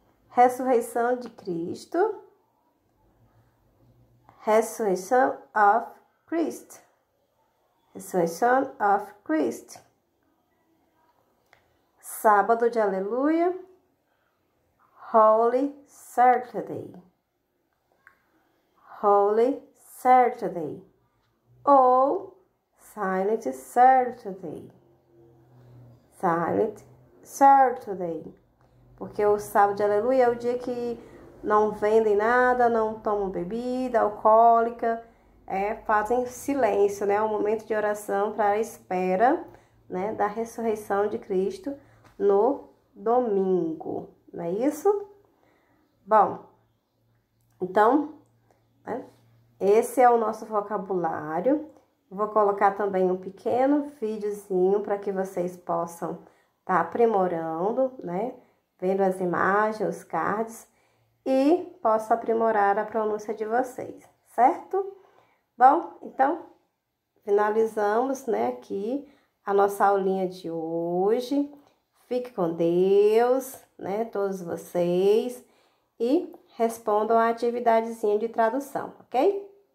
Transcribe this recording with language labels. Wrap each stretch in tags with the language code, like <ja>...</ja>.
<pt>Ressurreição de Cristo.</pt> <en>Resurrection of Christ. Resurrection of Christ.</en> <pt>Sábado de Aleluia.</pt> <en>Holy Saturday. Holy Saturday.</en> <pt>Ou</pt> <en>Silent Saturday. Silent Saturday.</en> <pt>Porque o sábado de Aleluia é o dia que não vendem nada, não tomam bebida alcoólica, fazem silêncio, né? É um momento de oração para a espera, né, da ressurreição de Cristo no domingo, não é isso? Bom, então, né, esse é o nosso vocabulário. Vou colocar também um pequeno videozinho para que vocês possam estar aprimorando, né? Vendo as imagens, os cards. E posso aprimorar a pronúncia de vocês, certo? Bom, então, finalizamos, né, aqui a nossa aulinha de hoje. Fique com Deus, né, todos vocês. E respondam a atividadezinha de tradução, ok?</pt>